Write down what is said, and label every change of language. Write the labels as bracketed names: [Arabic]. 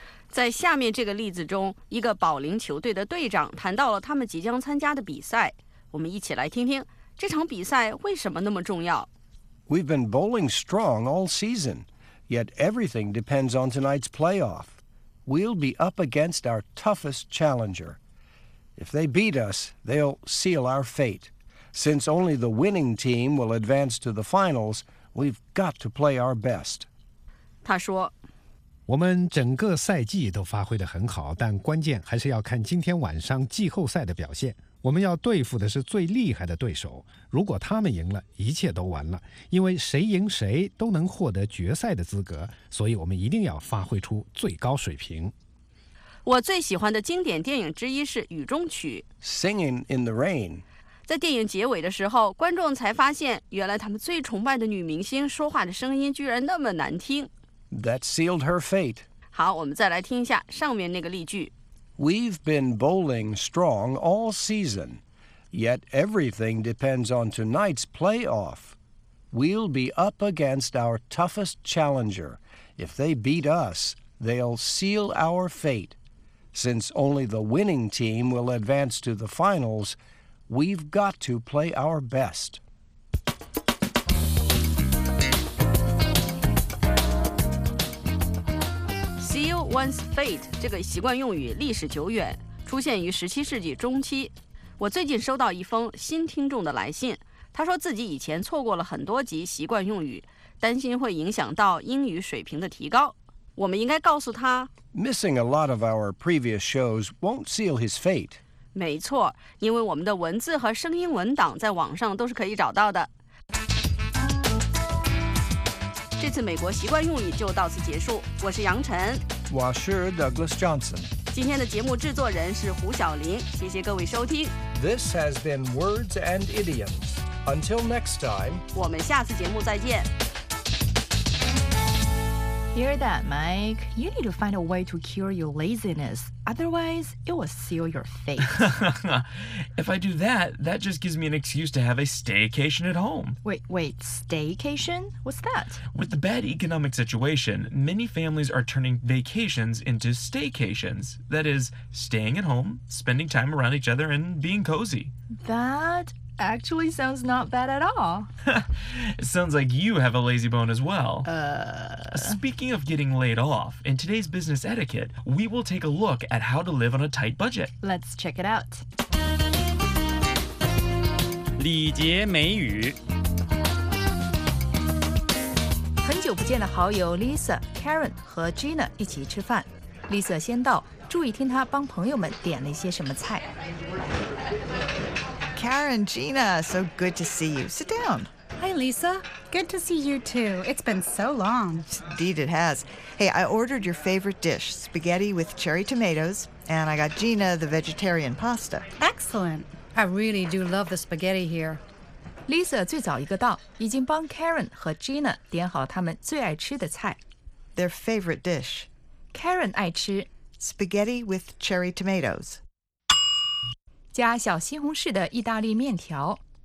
[Chinese] 在下面这个例子中，一个保龄球队的队长谈到了他们即将参加的比赛，我们一起来听听这场比赛为什么那么重要。 [English] We've been bowling strong all season, yet everything depends on tonight's playoff. We'll be up against our toughest challenger. If they beat us, they'll seal our fate. Since only the winning team will advance to the finals, we've got to play our best. [Chinese] 他说，我们整个赛季都发挥得很好，但关键还是要看今天晚上季后赛的表现。我们要对付的是最厉害的对手，如果他们赢了，一切都完了，因为谁赢谁都能获得决赛的资格，所以我们一定要发挥出最高水平。我最喜欢的经典电影之一是《雨中曲》 [English] Singing in the Rain。 [Chinese] 在电影结尾的时候，观众才发现原来他们最崇拜的女明星说话的声音居然那么难听。 [English] That sealed her fate. [Chinese] 好，我们再来听一下上面那个例句。 [English] We've been bowling strong all season, yet everything depends on tonight's playoff. We'll be up against our toughest challenger. If they beat us, they'll seal our fate. Since only the winning team will advance to the finals, we've got to play our best. One's fate [Chinese] 这个习惯用语历史久远，出现于17世纪中期。我最近收到一封新听众的来信，他说自己以前错过了很多集习惯用语，担心会影响到英语水平的提高。我们应该告诉他 [English] Missing a lot of our previous shows won't seal his fate. [Chinese] 没错，因为我们的文字和声音文档在网上都是可以找到的。这次美国习惯用语就到此结束，我是杨晨。我是 Douglas Johnson. 今天的节目制作人是胡晓琳，谢谢各位收听。 [English] This has been Words and Idioms. Until next time. [Chinese] 我们下次节目再见。 [English] Hear that, Mike? You need to find a way to cure your laziness. Otherwise, it will seal your fate. If I do that, that just gives me an excuse to have a staycation at home. Wait, staycation? What's that? With the bad economic situation, many families are turning vacations into staycations. That is, staying at home, spending time around each other, and being cozy. That... actually sounds not bad at all. It sounds like you have a lazy bone as well. Speaking of getting laid off, in today's business etiquette, we will take a look at how to live on a tight budget. Let's check it out. [Chinese] 礼节美语。很久不见的好友 Lisa, Karen 和 Gina 一起吃饭。 Lisa 先到，注意听她帮朋友们点了一些什么菜。 [English] Karen, Gina, so good to see you. Sit down. Hi, Lisa. Good to see you, too. It's been so long. Indeed it has. Hey, I ordered your favorite dish, spaghetti with cherry tomatoes, and I got Gina the vegetarian pasta. Excellent. I really do love the spaghetti here. [Chinese] Lisa 最早一个到，已经帮 Karen 和 Gina 点好他们最爱吃的菜。 [English] Their favorite dish. [Chinese] Karen 爱吃 [English] spaghetti with cherry tomatoes. [Chinese] 加小西红柿的意大利面条。